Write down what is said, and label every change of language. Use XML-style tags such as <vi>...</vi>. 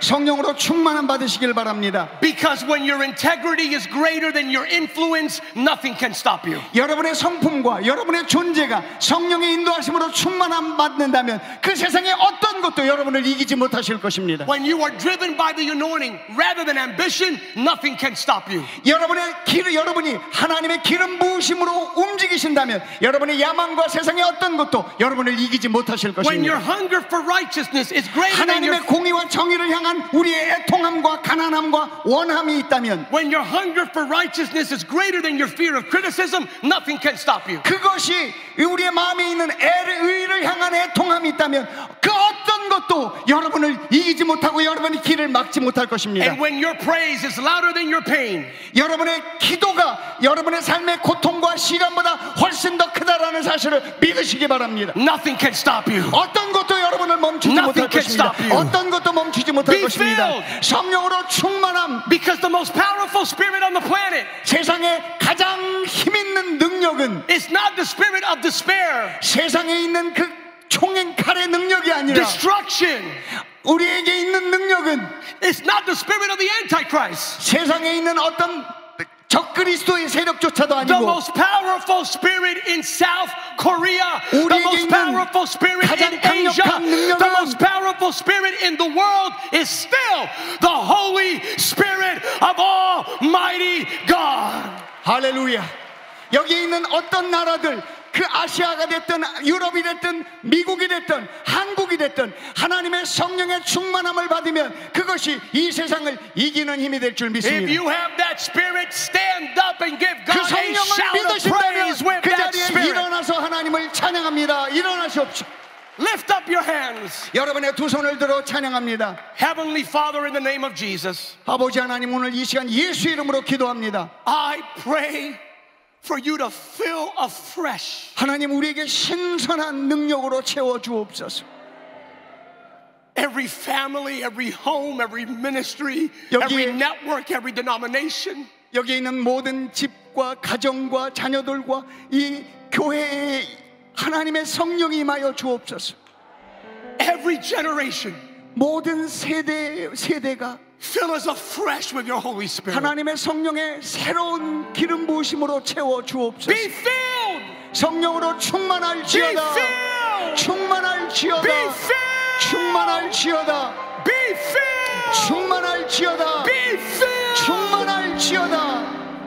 <ko>성령으로 충만함 받으시길 바랍니다.</ko> <en>Because when your integrity is greater than your influence, nothing can stop you.</en> <ko>여러분의 성품과 여러분의 존재가 성령의 인도하심으로 충만함 받는다면 그 세상의 어떤 것도 여러분을 이기지 못하실 것입니다.</ko> <en>When you are driven by the anointing rather than ambition, nothing can stop you.</en> <ko>여러분이 하나님의 기름 부으심으로 움직이신다면 여러분의 야망과 세상의 어떤 것도 여러분을 이기지 못하실 것입니다.</ko> <en>Your hunger for righteousness is greater than your</en> <ko>하나님의 공의와 정의를 향한 우리의 애통함과 가난함과 원함이 있다면</ko> <en>When your hunger for righteousness is greater than your fear of criticism, nothing can stop you.</en> <ko>그것이 우리의 마음에 있는 의를 향한 애통함이 있다면 그 어떤 것도 여러분을 이기지 못하고 여러분의 길을 막지 못할 것입니다.</ko> <en>And when your praise is louder than your pain,</en> <ko>여러분의 기도가 여러분의 삶의 고통과 시련보다 훨씬 더 크다라는 사실을 믿으시기 바랍니다.</ko> <en>Nothing can stop you.</en> <ko>어떤 것도 여러분을 멈추지</ko> <en>Nothing</en> <ko>못할 것입니다. 어떤 것도 멈추지 못할</ko> <en>Be</en> <ko>것입니다.</ko> <en>Filled.</en> <ko>성령으로 충만함.</ko> <en>Because the most powerful spirit on the planet</en> <ko>세상에 가장 힘 있는 능력은</ko> <en>It's not the spirit of despair.</en> <ko>세상에 있는 그 총칼의 능력이 아니라</ko> <en>Destruction.</en> <ko>우리에게 있는 능력은</ko> <en>It's not the spirit of the Antichrist.</en> <ko>세상에 있는 어떤 적 그리스도의 세력조차도 아니고</ko> <en>The most powerful spirit in South Korea The most powerful spirit in Asia The most powerful spirit in the world is still the Holy Spirit of Almighty God.</en> <ko>할렐루야. 여기 있는 어떤 나라들 그 아시아가 됐든 유럽이 됐든 미국이 됐든 한국이 됐든 하나님의 성령의 충만함을 받으면 그것이 이 세상을 이기는 힘이 될 줄 믿습니다.</ko> <en>If you have that spirit, stand up and give God a shout of praise with that spirit.</en> <ko>그 자리에 일어나서 하나님을 찬양합니다. 일어나시옵소서.</ko> <en>Lift up your hands.</en> <ko>여러분의 두 손을 들어 찬양합니다.</ko> <en>Heavenly Father, in the name of Jesus.</en> <ko>아버지 하나님 오늘 이 시간 예수 이름으로 기도합니다.</ko> <en>I pray. For you to fill afresh.</en> <ko>하나님 우리에게 신선한 능력으로 채워 주옵소서.</ko> <en>Every family, every home, every ministry, every network, every denomination.</en> <ko>여기 있는 모든 집과 가정과 자녀들과 이 교회에 하나님의 성령이 임하여 주옵소서.</ko> <en>Every generation.</en> <ko>모든 세대가.</ko> <en>Fill us afresh with your Holy Spirit.</en> <ko>하나님의 성령의 새로운 기름 부으심으로 채워 주옵소서.</ko> <en>Be filled.</en> <ko>성령으로 충만할지어다.</ko> <en>Be filled.</en> <ko>충만할지어다.</ko> <en>Be filled.</en> <ko>충만할지어다.</ko> <en>Be filled.</en> <ko>충만할지어다.</ko> <en>Be filled.</en> <ko>충만할지어다.</ko>